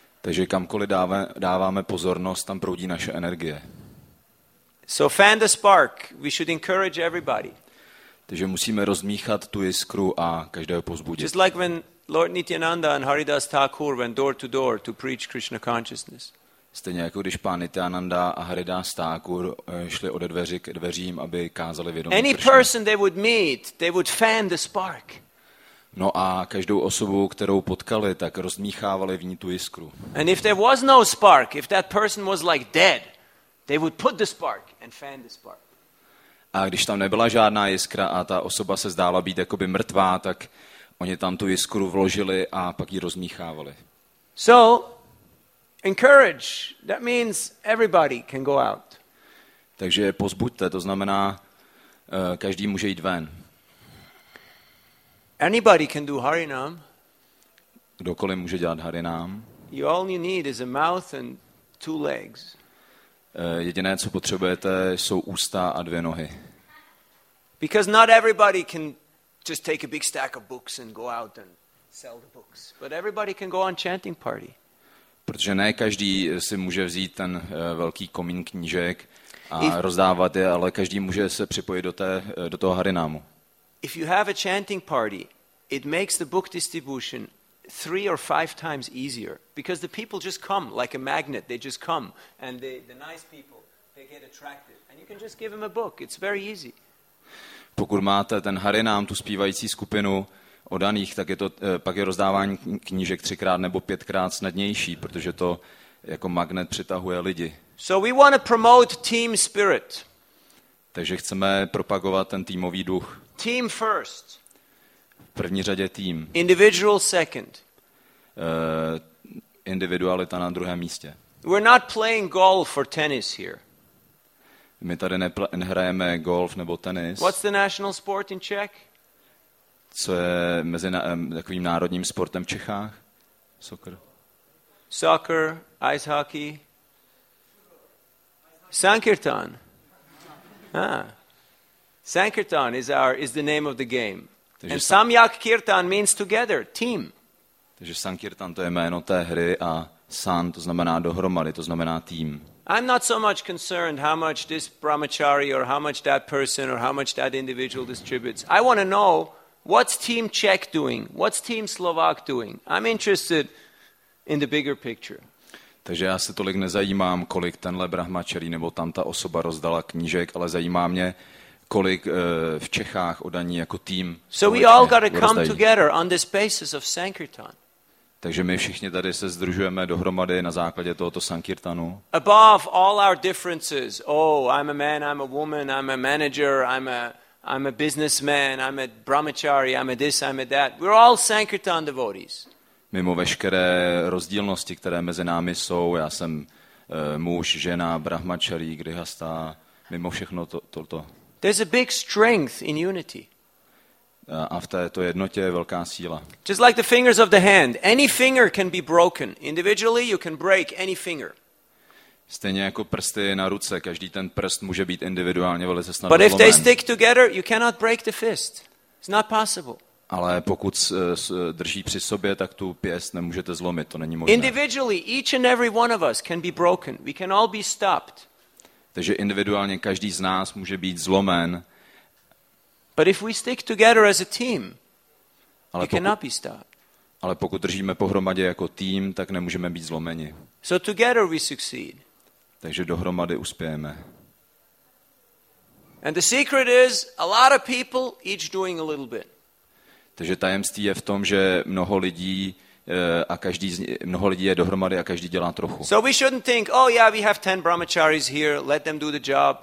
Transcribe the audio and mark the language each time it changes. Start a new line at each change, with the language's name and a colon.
Czech: Takže kamkoliv dáváme pozornost, tam proudí naše energie.
English: So fan the spark. We should encourage everybody.
Czech: Takže musíme rozmíchat tu jiskru a každého povzbudit.
English: Just like when Lord Nityananda and Haridas Thakur went door to door to preach Krishna consciousness.
Czech: Stejně jako když pán Nityananda a Haridas Thakur šli od dveří k dveřím, aby kázali vědomí.
English: Any person they would meet, they would fan the spark.
Czech: No a každou osobu, kterou potkali, tak rozmíchávali v ní tu jiskru.
English: And if there was no spark, if that person was like dead, they would put the spark and fan the spark.
Czech: A když tam nebyla žádná jiskra a ta osoba se zdála být jakoby mrtvá, tak Oni tam tu jiskru vložili a pak ji rozmíchávali.
English: So encourage, that means everybody can go out.
Czech: Takže pozbuďte, to znamená, každý může jít ven.
English: Anybody can do harinam.
Czech: Kdokoliv může dělat harinam.
English: You all you need is a mouth and two legs.
Czech: Jediné, co potřebujete, jsou ústa a dvě nohy.
English: Because not everybody can just take a big stack of books and go out and sell the books. But everybody can go on chanting party.
Czech: Protože ne každý si může vzít ten velký komín knížek a rozdávat je, ale každý může se připojit do toho harinámu.
English: If you have a chanting party, it makes the book distribution 3 or 5 times easier because the people just come like a magnet. They just come and the nice people, they get attracted and you can just give them a book. It's very easy.
Czech: Pokud máte ten harinám, tu zpívající skupinu odaných, tak je to pak je rozdávání knížek 3x nebo 5x snadnější, protože to jako magnet přitahuje lidi.
English: So we want to promote team spirit.
Czech: Takže chceme propagovat ten týmový duch.
English: Team first.
Czech: V první řadě tým.
English: Individual second.
Czech: Individualita na druhém místě.
English: We're not playing golf or tennis here.
Czech: My tady nehrajeme golf nebo tenis.
English: What's the national sport in Czech?
Czech: Co je mezi takovým národním sportem v Čechách?
English: Soccer. Soccer, ice hockey. Sankirtan. Sankirtan is the name of the game. Takže and Samyak Kirtan means together, team.
Czech: Takže Sankirtan to je jméno té hry a San to znamená dohromady, to znamená tým.
English: I'm not so much concerned how much this brahmachari or how much that person or how much that individual distributes. I want to know what's team Czech doing? What's team Slovak doing? I'm interested in the bigger picture.
Czech: Takže já se tolik nezajímám, kolik tenhle brahmačari nebo tamta osoba rozdala knížek, ale zajímá mě, kolik v Čechách odaní jako tým.
English: So we all got to come together on this basis of Sankirtan.
Czech: Takže my všichni tady se sdružujeme dohromady na základě tohoto sankirtanu.
English: Above all our differences. Oh, I'm a man, I'm a woman, I'm a manager, I'm a businessman, I'm a brahmachari, I'm a this, I'm a that. We're all sankirtan devotees.
Czech: Mimo veškeré rozdílnosti, které mezi námi jsou, já jsem muž, žena, brahmachari, grihastha, mimo všechno toto.
English: There's a big strength in unity.
Czech: A v této jednotě je velká síla.
English: Just like the fingers of the hand, any finger can be broken. Individually you can break any finger.
Czech: Stejně jako prsty na ruce, každý ten prst může být individuálně velice snadno.
English: But if they stick together, you cannot break the fist. It's not possible.
Czech: Ale pokud drží při sobě, tak tu pěst nemůžete zlomit, to není možné.
English: Individually each and every one of us can be broken. We can all be stopped.
Czech: Takže individuálně každý z nás může být zlomen.
English: But if we stick together as a team, we cannot be stopped.
Czech: Ale pokud držíme pohromadě jako tým, tak nemůžeme být zlomeni.
English: So together we succeed.
Czech: Takže dohromady uspějeme.
English: And the secret is a lot of people each doing a little bit.
Czech: Takže tajemství je v tom, že mnoho lidí a každý mnoho lidí je dohromady a každý dělá trochu.
English: So we shouldn't think, oh yeah, we have 10 brahmacharis here, let them do the job.